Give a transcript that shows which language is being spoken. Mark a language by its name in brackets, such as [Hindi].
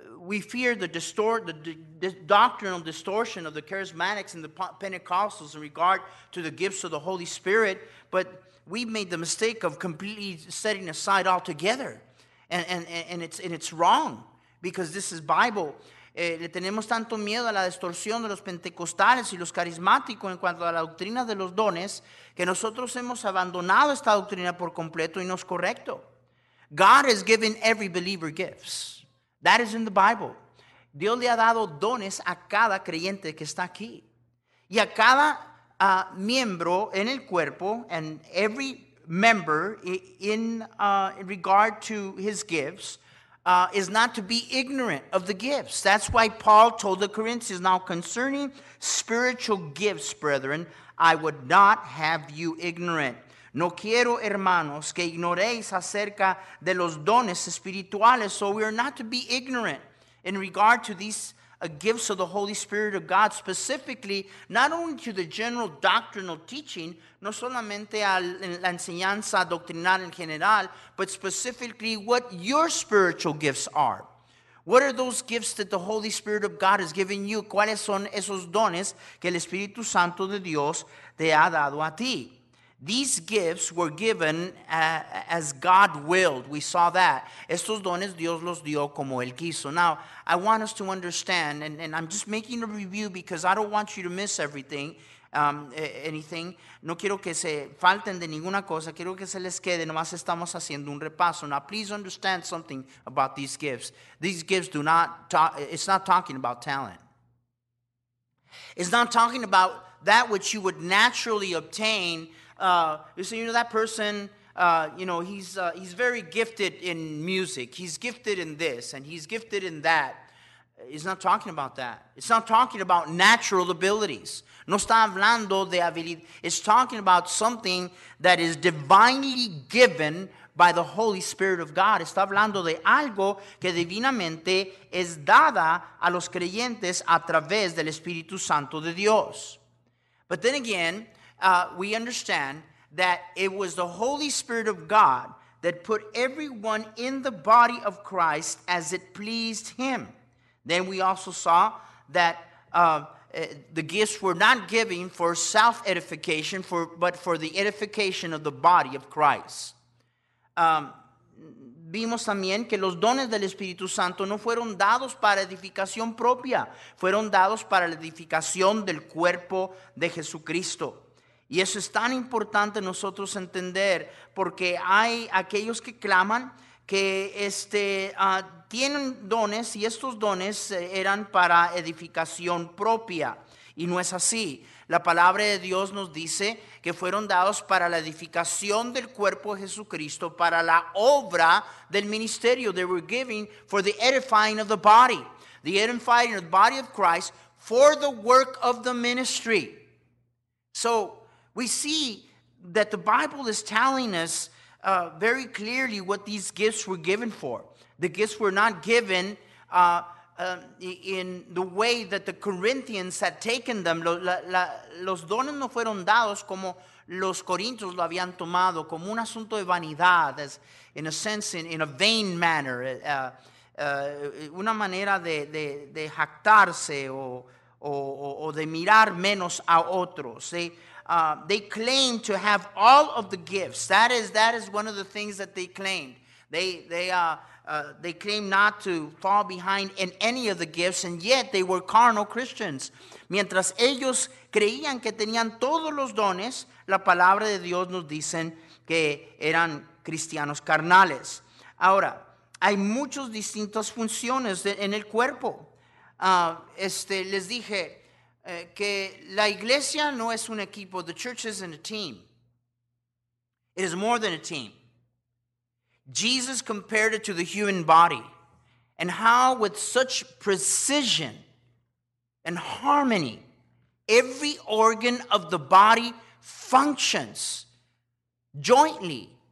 [English] We fear the doctrinal distortion of the charismatics and the Pentecostals in regard to the gifts of the Holy Spirit, but we've made the mistake of completely setting aside altogether, and it's wrong. Because this is Bible. [Spanish] Le tenemos tanto miedo a la distorsión de los pentecostales y los carismáticos en cuanto a la doctrina de los dones que nosotros hemos abandonado esta doctrina por completo y no es correcto. [English] God has given every believer gifts. That is in the Bible. [Spanish] Dios le ha dado dones a cada creyente que está aquí. Y a cada miembro en el cuerpo, [English] and every member in regard to his gifts, is not to be ignorant of the gifts. That's why Paul told the Corinthians, now concerning spiritual gifts, brethren, I would not have you ignorant. [Spanish] No quiero, hermanos, que ignoréis acerca de los dones espirituales. [English] So we are not to be ignorant in regard to these gifts of the Holy Spirit of God, specifically, not only to the general doctrinal teaching, [Spanish] no solamente a la enseñanza doctrinal en general, [English] but specifically what your spiritual gifts are. What are those gifts that the Holy Spirit of God has given you? [Spanish] ¿Cuáles son esos dones que el Espíritu Santo de Dios te ha dado a ti? [English] These gifts were given as God willed. We saw that. [Spanish] Estos dones Dios los dio como Él quiso. [English] Now, I want us to understand, and I'm just making a review because I don't want you to miss everything, anything. [Spanish] No quiero que se falten de ninguna cosa. Quiero que se les quede. Nomás estamos haciendo un repaso. [English] Now, please understand something about these gifts. These gifts do not talk, it's not talking about talent. It's not talking about that which you would naturally obtain. He's very gifted in music. He's gifted in this and he's gifted in that. He's not talking about that. It's not talking about natural abilities. [Spanish] No está hablando de habilidad. [English] It's talking about something that is divinely given by the Holy Spirit of God. [Spanish] Está hablando de algo que divinamente es dada a los creyentes a través del Espíritu Santo de Dios. [English] But then again, we understand that it was the Holy Spirit of God that put everyone in the body of Christ as it pleased him. Then we also saw that the gifts were not given for self-edification, but for the edification of the body of Christ. [Spanish] Vimos también que los dones del Espíritu Santo no fueron dados para edificación propia, fueron dados para la edificación del cuerpo de Jesucristo. Y eso es tan importante nosotros entender porque hay aquellos que claman que tienen dones y estos dones eran para edificación propia. Y no es así. La palabra de Dios nos dice que fueron dados para la edificación del cuerpo de Jesucristo, para la obra del ministerio. [English] They were given for the edifying of the body. The edifying of the body of Christ for the work of the ministry. So, we see that the Bible is telling us very clearly what these gifts were given for. The gifts were not given in the way that the Corinthians had taken them. [Spanish] Los dones no fueron dados como los corintios lo habían tomado, como un asunto de vanidad, [English] as in a sense, in a vain manner, [Spanish] una manera de jactarse o de mirar menos a otros. [English] They claim to have all of the gifts. That is one of the things that they claimed. They claim not to fall behind in any of the gifts, and yet they were carnal Christians. [Spanish] Mientras ellos creían que tenían todos los dones, la palabra de Dios nos dicen que eran cristianos carnales. Ahora, hay muchas distintas funciones en el cuerpo. Les dije que la iglesia no es un equipo. [English] The church isn't a team. It is more than a team. Jesus compared it to the human body, and how with such precision and harmony every organ of the body functions jointly.